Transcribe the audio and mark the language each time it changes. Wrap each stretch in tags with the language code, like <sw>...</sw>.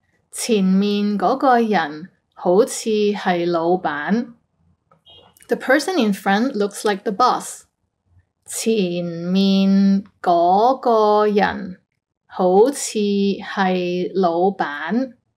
<yue>前面嗰個人好似係老闆。</yue> <en>The person in front looks like the boss。</en> <yue>前面嗰個人好似係老闆。</yue>